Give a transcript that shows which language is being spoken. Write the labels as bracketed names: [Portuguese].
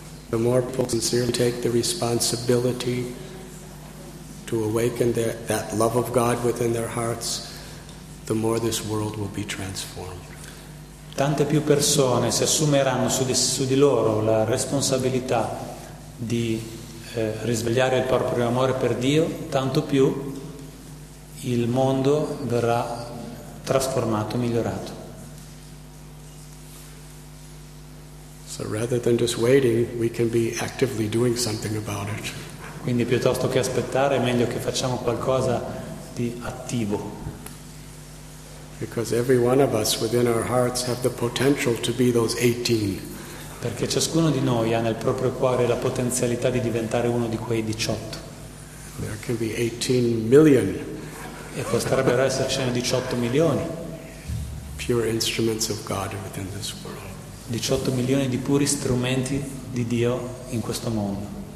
[English] The more people sincerely take the responsibility to awaken that love of God within their hearts, the more this world will be transformed. [Italian] Tante più persone si assumeranno su di loro la responsabilità di risvegliare il proprio amore per Dio, tanto più il mondo verrà trasformato, migliorato. [English] So rather than just waiting, we can be actively doing something about it. [Italian] Quindi piuttosto che aspettare, è meglio che facciamo qualcosa di attivo. [English] Because every one of us within our hearts have the potential to be those 18. [Italian] Perché ciascuno di noi ha nel proprio cuore la potenzialità di diventare uno di quei 18. [English] There can be 18 million. [Italian] E potrebbero essercene 18 milioni. [English] Pure instruments of God within this world. [Italian] 18 milioni di puri strumenti di Dio in questo mondo.